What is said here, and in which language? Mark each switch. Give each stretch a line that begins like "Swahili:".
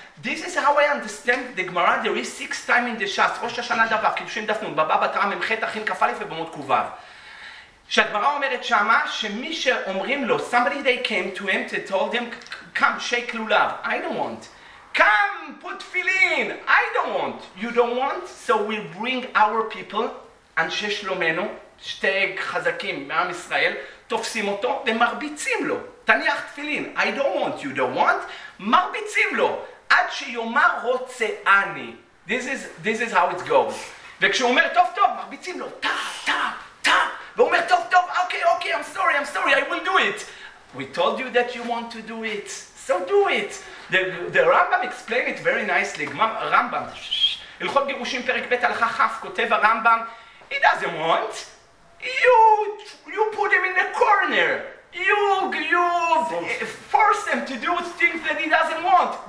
English: This is how I understand the Gemara, there is 6 times in the Shas,
Hebrew: ראש השנה דבר, קידושין דף נ', בבא בתרא מ"ח, תכין כ"א ובמות ק"ו. שהגמרא אומרת שמה, שמי שאומרים לו,
English: somebody they came to him to told him, come, shake lulav, I don't want. Come, put tefillin, I don't want. You don't want, so we'll bring our people,
Hebrew: אנשי שלומנו, שתי חזקים מעם ישראל, תופסים אותו ומרביצים לו. תניח תפילין,
English: I don't want, you don't want,
Hebrew: מרביצים לו, עד שיומר רוצה אני.
English: This is how it goes.
Hebrew: וכשהוא אומר, טוב, טוב, מרביצים לו,
English: טא, טא, טא, והוא אומר, טוב, טוב, אוקיי, I'm sorry, I will do it. We told you that you want to do it, so do it. The Rambam explained it very nicely. Rambam,
Hebrew: הלכות גירושים פרק ב' הלכה חף, כותב הרמב״ם,
English: he doesn't want you put him in the corner, you force him to do things that he doesn't want.